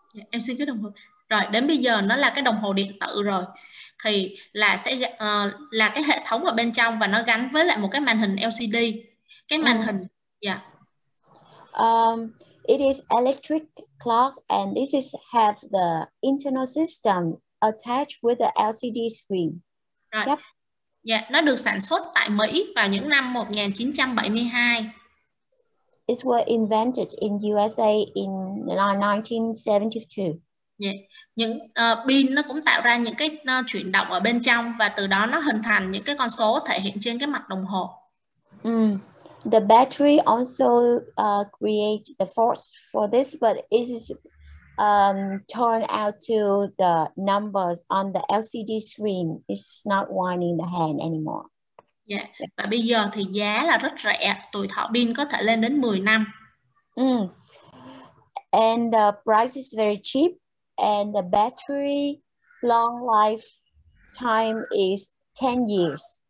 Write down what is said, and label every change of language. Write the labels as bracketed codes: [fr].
[vi] Em xin cái đồng hồ. Rồi đến bây giờ nó là cái đồng hồ điện tử rồi, thì là sẽ là cái hệ thống ở bên trong, và nó gắn với lại một cái màn hình LCD. Cái màn hình, yeah. [en] It is electric clock, and this is have the internal system attached with the LCD screen. [vi] Right. Yep. Yeah, nó được sản xuất tại Mỹ vào những năm 1972. [en] it was invented in USA in 1972. Yeah. [vi] Những pin nó cũng tạo ra những cái chuyển động ở bên trong và từ đó nó hình thành những cái con số thể hiện trên cái mặt đồng hồ. Mm. [en] The battery also create the force for this, but it is turned out to the numbers on the LCD screen. It's not winding the hand anymore. Yeah. [vi] Và bây giờ thì giá là rất rẻ, tuổi thọ pin có thể lên đến 10 năm. Mm. [en] And the price is very cheap and the battery long life time is 10 years.